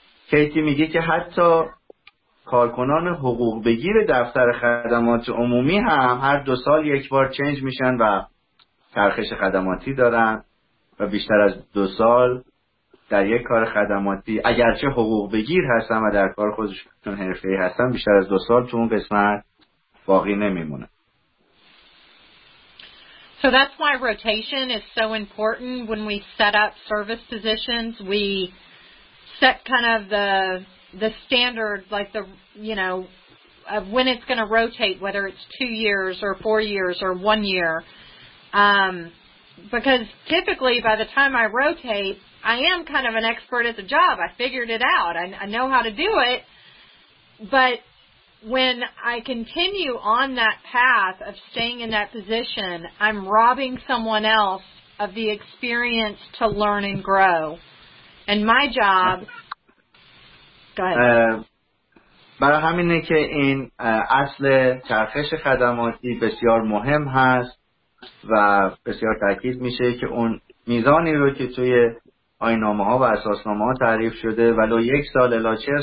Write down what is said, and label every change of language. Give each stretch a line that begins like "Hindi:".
Persian: کیتی میگه که حتی کارکنان حقوق بگیر دفتر خدمات عمومی هم هر دو سال یک بار چنج میشن و ترخیص خدماتی دارن و بیشتر از دو سال در یک کار خدماتی اگرچه حقوق بگیر هستن و در کار خودشون حرفه‌ای هستن بیشتر از دو سال تو اون قسمت باقی نمیمونن.
English: So that's why rotation is so important. When we set up service positions, we set kind of the standards, like the, you know, of when it's going to rotate, whether it's 2 years or 4 years or 1 year. Because typically by the time I rotate, I am kind of an expert at the job. I figured it out. I know how to do it. But when I continue on that path of staying in that position, I'm robbing someone else of the experience to learn and grow. And my job... Go ahead.
Persian: برای همینه که این اصل چرخش خدماتی بسیار مهم هست و بسیار تاکید میشه که اون میزانی رو که توی آیین‌نامه‌ها و اساسنامه‌ها تعریف شده ولو یک سال